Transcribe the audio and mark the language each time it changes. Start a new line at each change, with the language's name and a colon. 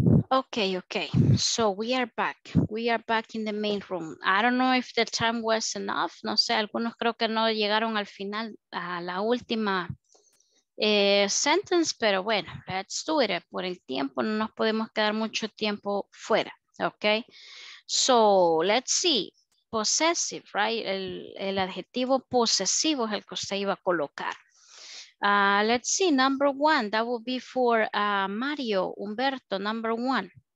English: Okay, okay. So we are back. We are back in the main room. I don't know if the time was enough.
Spanish: No sé, algunos creo que no llegaron al final, a la última sentence, pero bueno,
English: let's do it.
Spanish: Por el tiempo no nos podemos quedar mucho tiempo fuera, okay?
English: So let's see. Possessive, right?
Spanish: El adjetivo posesivo es el que usted iba a colocar.
English: Let's see, number one, that would be for Mario, Humberto, number one.